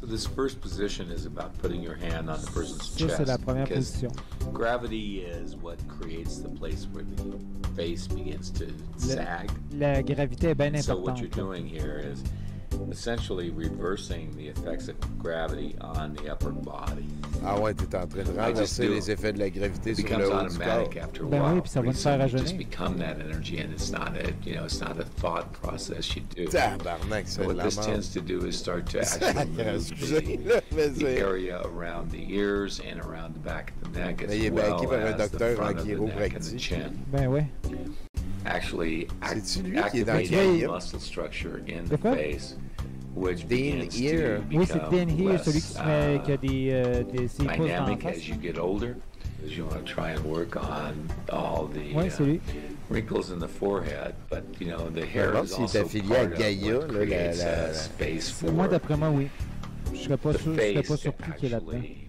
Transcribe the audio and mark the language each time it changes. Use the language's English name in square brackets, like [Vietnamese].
[English] So this first position is about putting your hand on the person's chest. [French] C'est la première position. [English] Gravity is what creates the place where the face begins to sag. [French] La gravité est bien importante. [English] So what you're doing here is essentially reversing the effects of gravity on the upper body. [French] Ah ouais, t'es en train de renverser les effets de la gravité sur le haut du corps. Ben oui, puis ça va te faire rajeunir. [English] You just become that energy and it's not a, you know, it's not a thought process you do. [French] Tabarnak, c'est de la mort. [English] What this tends to do is start to actually move the area around the ears and around the back of the neck as well as the front of the neck and the chin. [French] Ben oui. [English] Actually activating the muscle structure in the face. Which Dean here. [French] Oui, c'est Dean [English] here, [French] celui qui se met, qui a des pouces dans la face. [English] As you get older, as you want to try and work on all the wrinkles in the forehead, but you know the hair is also part of what creates a space for. [French] Moi, d'après moi, oui. Je serais pas surpris qu'il est là-dedans.